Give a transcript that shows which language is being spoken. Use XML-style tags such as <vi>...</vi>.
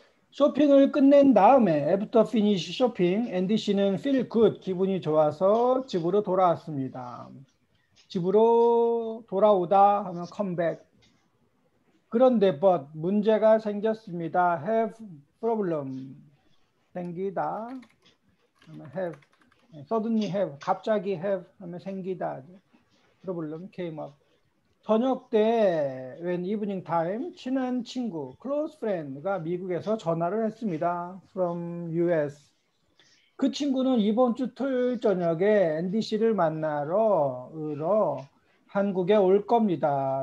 <ko>쇼핑을 끝낸 다음에</ko> <en>after finish</en> <ko>쇼핑, 앤디 씨는</ko> <en>feel good,</en> <ko>기분이 좋아서 집으로 돌아왔습니다. 집으로 돌아오다 하면</ko> <en>come back.</en> <ko>그런데 but 문제가 생겼습니다.</ko> <en>Have problem 생기다. Have suddenly have 갑자기 have 하면 생기다. Problem came up.</en> <ko>저녁 때</ko> <en>when evening time</en> <ko>친한 친구</ko> <en>close friend</en> <ko>가 미국에서 전화를 했습니다.</ko> <en>From U.S.</en> <ko>그 친구는 이번 주 토요일 저녁에 앤디 씨를 만나러 한국에 올 겁니다.</ko>